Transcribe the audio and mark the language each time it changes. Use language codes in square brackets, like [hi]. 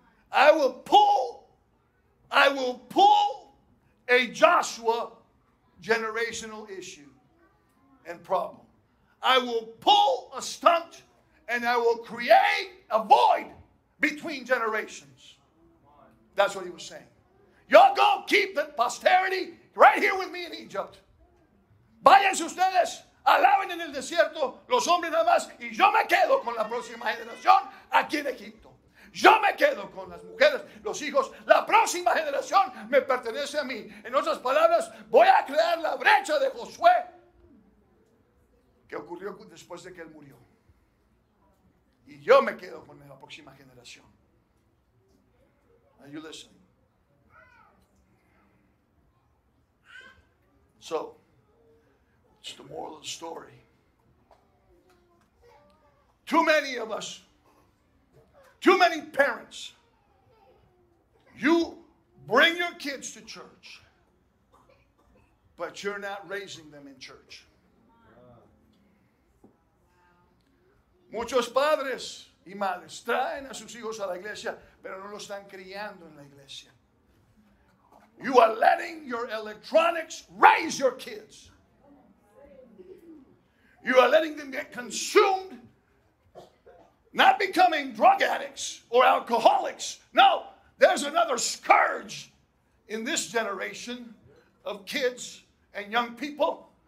[en] I will pull a Joshua generational issue and problem. I will pull a stunt and I will create a void between generations. That's what he was saying. Y'all go keep the posterity right here with me in Egypt. [es] Váyanse ustedes, alaben en el desierto los hombres nada más, y yo me quedo con la próxima generación aquí en Egipto. Yo me quedo con las mujeres, los hijos, la próxima generación me pertenece a mí. En otras palabras, voy a crear la brecha de Josué, que ocurrió después de que él murió. Y yo me quedo con la próxima generación. [en] Are you listening? So, it's the moral of the story. Too many of us, too many parents, you bring your kids to church, but you're not raising them in church. [es] Muchos padres y madres traen a sus hijos a la iglesia, pero no lo están criando en la iglesia. [en] You are letting your electronics raise your kids. You are letting them get consumed, not becoming drug addicts or alcoholics. No, There's another scourge in this generation of kids and young people.